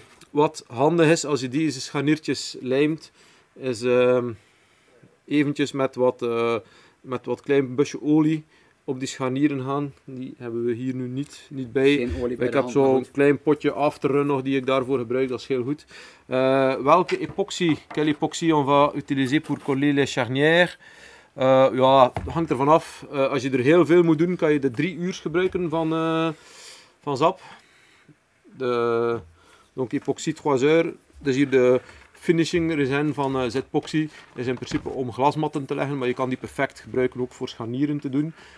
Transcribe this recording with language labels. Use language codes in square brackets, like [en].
[nl] Wat handig is als je deze scharniertjes lijmt, is eventjes met wat klein busje olie op die scharnieren gaan. Die hebben we hier nu niet bij. Ik heb zo'n klein potje afterrun nog die ik daarvoor gebruik. Dat is heel goed. Welke epoxy? [fr] Quelle epoxy on va utiliser pour coller les charnières? [nl] Ja, dat hangt ervan af. Als je er heel veel moet doen, kan je de 3 uur gebruiken van zap. Donc epoxy 3 uur. Dus hier de finishing resin van Zepoxy is in principe om glasmatten te leggen, maar je kan die perfect gebruiken ook voor scharnieren te doen.